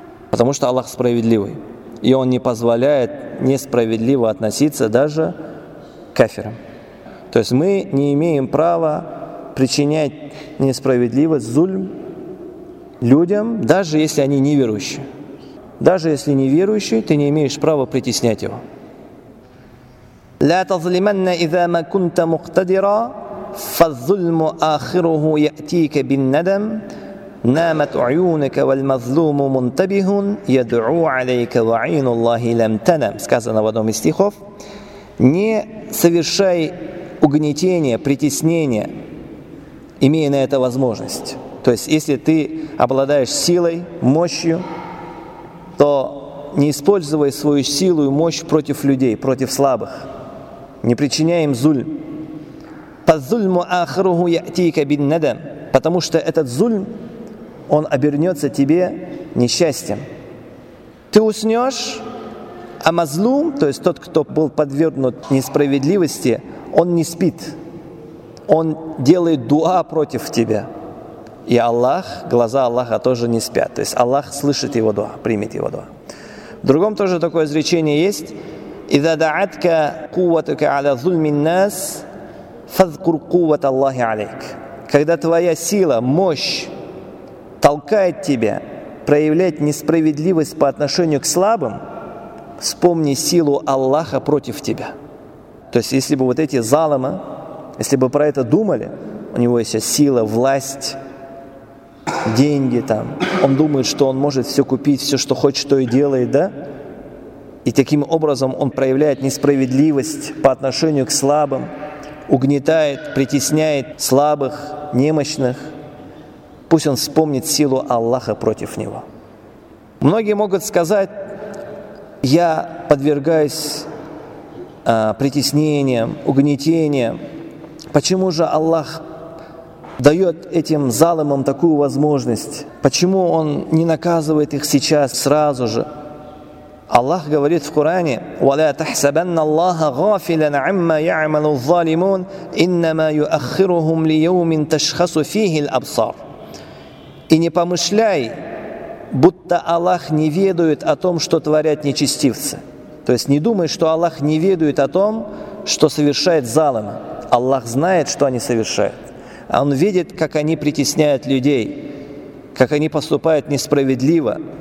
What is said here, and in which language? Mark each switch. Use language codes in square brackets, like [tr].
[ru] Потому что Аллах справедливый. И он не позволяет несправедливо относиться даже к кафирам. То есть мы не имеем права причинять несправедливость, зульм людям, даже если они неверующие. Даже если неверующий, ты не имеешь права притеснять его. [ar] لا تظلمن إذا ما كنت مقتدرا فالظلم آخره يأتيك بالندم نامت عيونك والمظلوم منتبه يدعو عليك وعين الله لم تنم. [ru] Сказано в одном из стихов: не совершай угнетения, притеснения, имея на это возможность. То есть, если ты обладаешь силой, мощью, то не используй свою силу и мощь против людей, против слабых. Не причиняй им зульм. [ar] Позульму ахруху ятика биннадам. [ru] Потому что этот зульм, он обернется тебе несчастьем. Ты уснешь, а мазлум, то есть тот, кто был подвергнут несправедливости, он не спит. Он делает дуа против тебя. И Аллах, глаза Аллаха тоже не спят. То есть Аллах слышит его дуа, примет его дуа. В другом тоже такое изречение есть. [ar] إذا دعتك قوتك على ظلم الناس فاذكر قوة الله عليك. [ru] Когда твоя сила, мощь толкает тебя проявлять несправедливость по отношению к слабым, вспомни силу Аллаха против тебя. То есть если бы вот эти залыма, если бы про это думали, у него есть сила, власть, деньги там. Он думает, что он может все купить, все, что хочет, то и делает, да? И таким образом он проявляет несправедливость по отношению к слабым, угнетает, притесняет слабых, немощных. Пусть он вспомнит силу Аллаха против него. Многие могут сказать: я подвергаюсь притеснениям, угнетениям. Почему же Аллах дает этим залымам такую возможность? Почему он не наказывает их сейчас, сразу же? Аллах говорит в Коране: [ar] وَلَا تَحْسَبَنَّ اللَّهَ غَافِلًا عَمَّا يَعْمَلُ الظَّالِمُونَ إِنَّمَا يُؤَخِّرُهُمْ لِيَوْمٍ تَشْخَصُ فِيهِ الْأَبْصَارُ. [ru] И не помышляй, будто Аллах не ведает о том, что творят нечестивцы. То есть не думай, что Аллах не ведает о том, что совершает залымы. Аллах знает, что они совершают. Он видит, как они притесняют людей, как они поступают несправедливо.